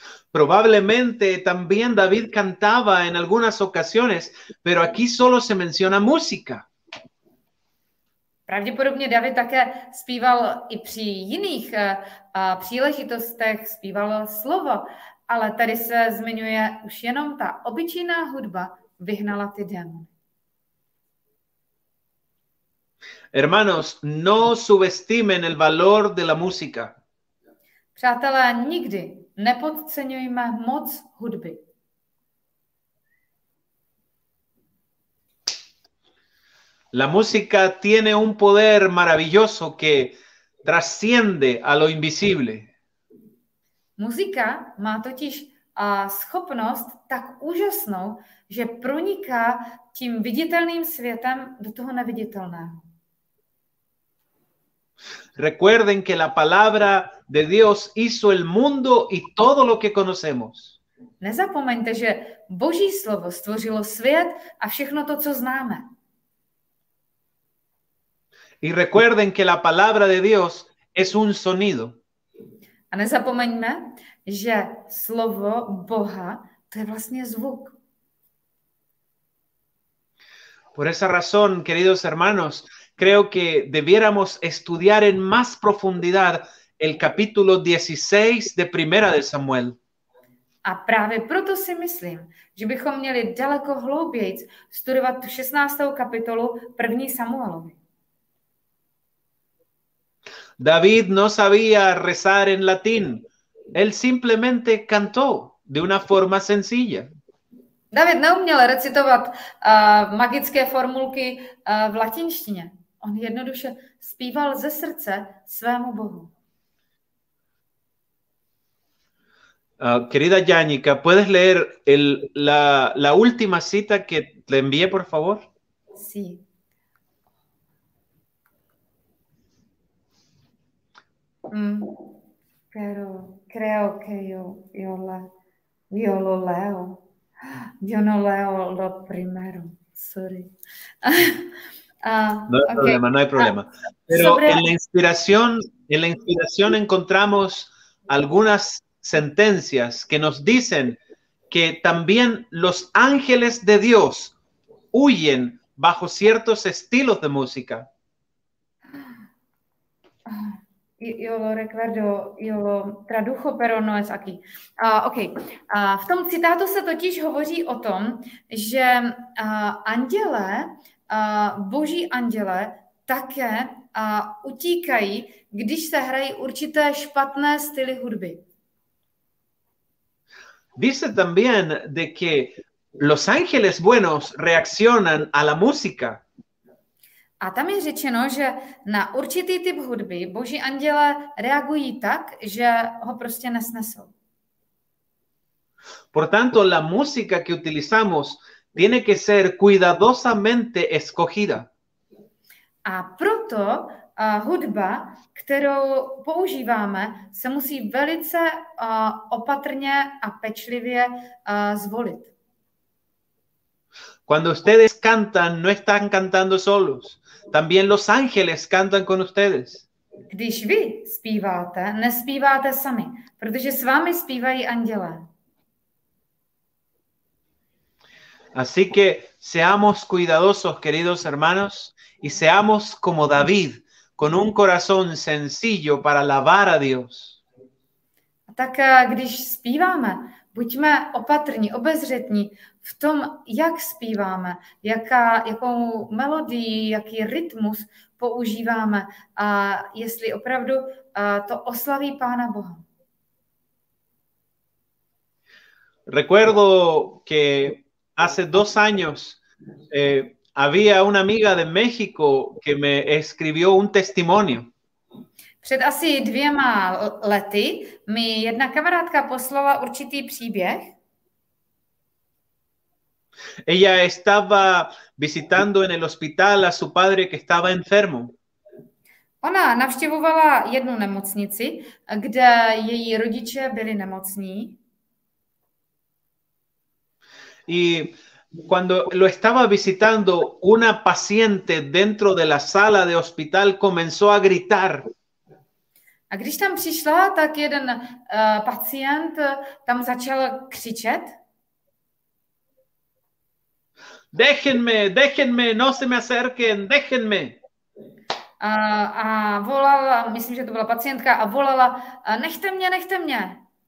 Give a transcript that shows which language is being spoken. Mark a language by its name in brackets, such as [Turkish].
[Spanish] Probablemente también David cantaba en algunas ocasiones, pero aquí solo se menciona música. [Czech] Pravděpodobně David také zpíval i při jiných příležitostech, zpíval slovo, ale tady se zmiňuje už jenom ta obyčejná hudba vyhnala ty démony. [Spanish] Hermanos, no subestimen el valor de la música. [Czech] Přátelé, nikdy nepodceňujme moc hudby. [Spanish] La música tiene un poder maravilloso que trasciende a lo invisible. [Czech] Muzika má totiž schopnost tak úžasnou, že proniká tím viditelným světem do toho neviditelného. [Spanish] Recuerden que la palabra de Dios hizo el mundo y todo lo que conocemos. [Czech] Nezapomeňte, že Boží slovo stvořilo svět a všechno to, co známe. [Spanish] Y recuerden que la palabra de Dios es un sonido. [Czech] A nezapomeňme, že slovo Boha to je vlastně zvuk. [Spanish] Por esa razón, queridos hermanos, creo que debiéramos estudiar en más profundidad el capítulo 16 de Primera de Samuel. [Czech] A právě proto si myslím, že bychom měli daleko hlouběji studovat tu 16. kapitolu 1. Samuelovi. [Spanish] David no sabía rezar en latín. Él simplemente cantó de una forma sencilla. [Czech] David neuměl recitovat magické formulky v latinštině. On jednoduše zpíval ze srdce svému Bohu. [Spanish] Querida Yannicka, ¿puedes leer la última cita que te envié, por favor? Sí. Pero creo que yo lo leo. Yo no leo lo primero. Sorry. No hay problema. Pero en la inspiración encontramos algunas sentencias que nos dicen que también los ángeles de Dios huyen bajo ciertos estilos de música. Yo lo recuerdo, yo lo tradujo, pero no es aquí. [Czech] V tom citátu se totiž hovoří o tom, že anděle, boží anděle, také utíkají, když se hrají určité špatné styly hudby. [Spanish] Dice también de que los ángeles buenos reaccionan a la música. [Czech] A tam je řečeno, že na určitý typ hudby boží anděle reagují tak, že ho prostě nesnesou. [Spanish] Por tanto, la música que utilizamos tiene que ser cuidadosamente escogida. [Czech] A proto hudba, kterou používáme, se musí velice opatrně a pečlivě zvolit. [Spanish] Cuando ustedes cantan, no están cantando solos. También los ángeles cantan con ustedes. [Czech] Když vy zpíváte, nespíváte sami, protože s vámi zpívají anděle. [Spanish] Así que seamos cuidadosos, queridos hermanos, y seamos como David, con un corazón sencillo para alabar a Dios. [Czech] Tak když zpíváme, buďme opatrní, obezřetní v tom, jak zpíváme, jakou melodii, jaký rytmus používáme a jestli opravdu to oslaví Pána Boha. [Spanish] Recuerdo que hace dos años había una amiga de México que me escribió un testimonio. [Czech] Před asi dvěma lety mi jedna kamarádka poslala určitý příběh. [Spanish] Ella estaba visitando en el hospital a su padre que estaba enfermo. [Czech] Ona navštěvovala jednu nemocnici, kde její rodiče byli nemocní. [Spanish] Y cuando lo estaba visitando, una paciente dentro de la sala de hospital comenzó a gritar. [Czech] A když tam přišla, tak jeden pacient tam začal křičet. [Spanish] Déjenme, no se me acerquen, déjenme. [Czech] A volala, myslím, že to byla pacientka, a volala, nechte mě.